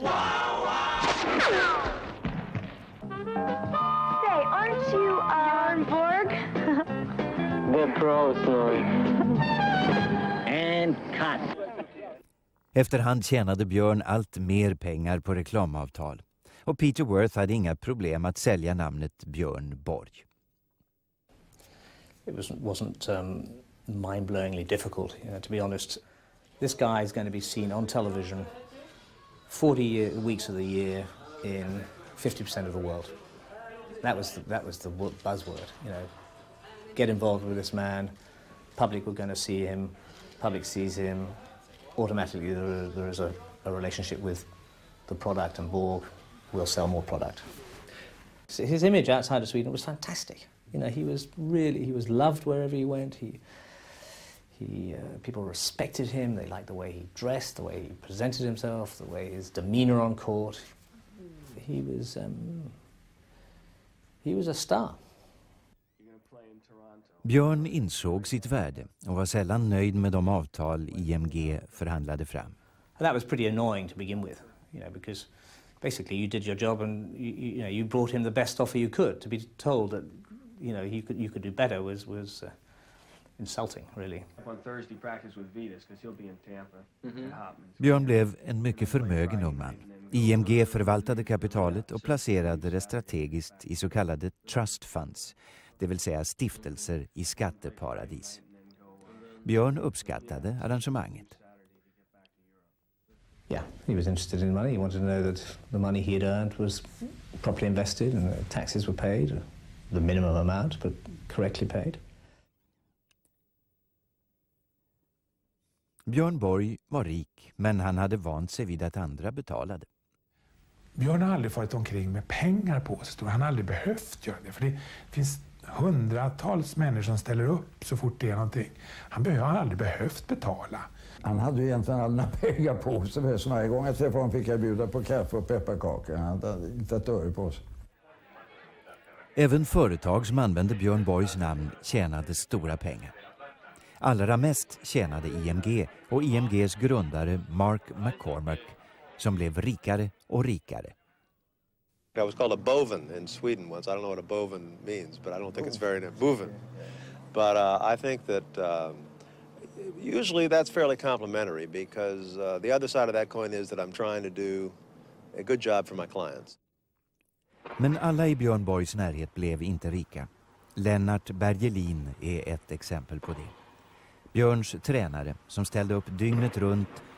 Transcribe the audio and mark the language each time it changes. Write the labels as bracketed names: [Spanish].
[English] wow! Say, aren't you Björn Borg? The pros, Lord. And cut. [Swedish] Efterhand tjänade Björn allt mer pengar på reklamavtal. Och Peter Worth hade inga problem att sälja namnet Björn Borg. [English] It wasn't mind-blowingly difficult, you know, to be honest. This guy is going to be seen on television 40 weeks of the year in 50% of the world. That was the buzzword, you know. Get involved with this man. Public were going to see him. Public sees him. Automatically there is a relationship with the product, and Borg will sell more product. So his image outside of Sweden was fantastic. You know, he was loved wherever he went. People respected him. They liked the way he dressed, the way he presented himself, the way his demeanor on court. He was a star. [Swedish] Björn insåg sitt värde och var sällan nöjd med de avtal IMG förhandlade fram. [English] That was pretty annoying to begin with, you know, because basically you did your job and you brought him the best offer you could. To be told that, you know, you could do better was insulting, really. On Thursday, practice with Vitas, because he'll be in Tampa. Mm-hmm. [Swedish] Björn blev en mycket förmögen ung man. IMG förvaltade kapitalet och placerade det strategiskt i så kallade trust funds. Det vill säga stiftelser i skatteparadis. Björn uppskattade arrangemanget. [English] Yeah, he was interested in money. He wanted to know that the money he had earned was properly invested and taxes were paid, the minimum amount but correctly paid. [Swedish] Björn Borg var rik, men han hade vant sig vid att andra betalade. Björn har aldrig varit omkring med pengar på sig. Han har aldrig behövt göra det, för det finns hundratals människor som ställer upp så fort det är någonting. Han har aldrig behövt betala. Han hade ju egentligen alla pengar på sig. Så varje gång jag träffade honom fick jag bjuda på kaffe och pepparkakor. Han hade inte ett öre på sig. Även företag som använde Björn Borgs namn tjänade stora pengar. Allra mest tjänade IMG och IMGs grundare Mark McCormack, som blev rikare och rikare. [English] I was called a boven in Sweden once. I don't know what a boven means, but I don't think it's very near boven. But I think that usually that's fairly complimentary, because the other side of that coin is that I'm trying to do a good job for my clients. [Swedish] Men alla i Björn Borgs närhet blev inte rika. Lennart Bergelin är ett exempel på det. Björns tränare, som ställde upp dygnet runt